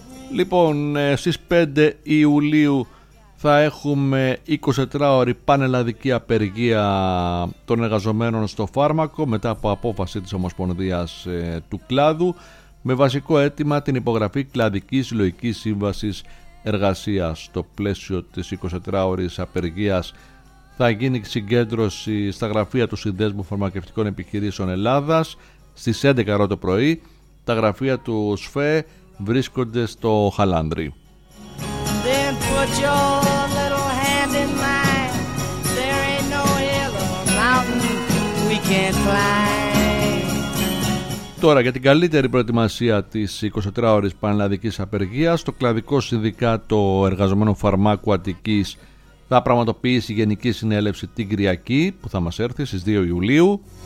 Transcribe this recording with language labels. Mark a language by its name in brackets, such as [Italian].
[Greek] Λοιπόν, στις 5 Ιουλίου θα έχουμε 24-ωρη πανελλαδική απεργία των εργαζομένων στο φάρμακο μετά από απόφαση της Ομοσπονδίας του κλάδου, με βασικό αίτημα την υπογραφή κλαδικής συλλογικής σύμβασης εργασίας. Στο πλαίσιο της 24-ωρης απεργίας θα γίνει συγκέντρωση στα γραφεία του Συνδέσμου Φαρμακευτικών Επιχειρήσεων Ελλάδας στις 11 ώρα το πρωί. Τα γραφεία του ΣΦΕ βρίσκονται στο Χαλάνδρι. [English] Then put your little hand in mine. There ain't no hill or mountain we can't climb. [Greek] Τώρα για την καλύτερη προετοιμασία της 24-ωρης πανελλαδικής απεργίας, το κλαδικό συνδικάτο εργαζομένων φαρμάκου Αττικής θα πραγματοποιήσει γενική συνέλευση την Κυριακή που θα μας έρθει στις 2 Ιουλίου.